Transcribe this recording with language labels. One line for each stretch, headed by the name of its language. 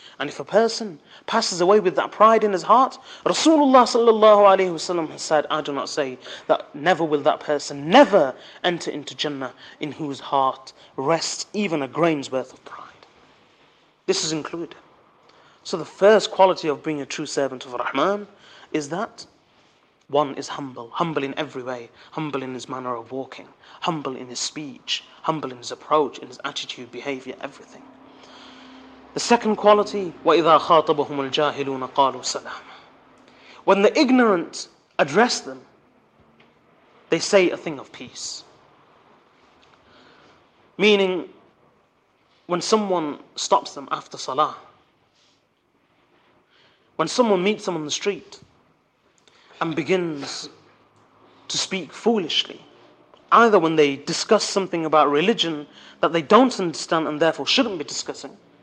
English: And if a person passes away with that pride in his heart, Rasulullah sallallahu alayhi wasallam has said, I do not say that never will that person never enter into Jannah in whose heart rests even a grain's worth of pride. This is included. So the first quality of being a true servant of Rahman is that one is humble. Humble in every way. Humble in his manner of walking. Humble in his speech. Humble in his approach, in his attitude, behavior, everything. The second quality,
Arabic: وَإِذَا خَاطَبَهُمُ الْجَاهِلُونَ قَالُوا سَلَامًا.
English: When the ignorant address them, they say a thing of peace. Meaning, when someone stops them after salah, when someone meets them on the street and begins to speak foolishly, either when they discuss something about religion that they don't understand and therefore shouldn't be discussing,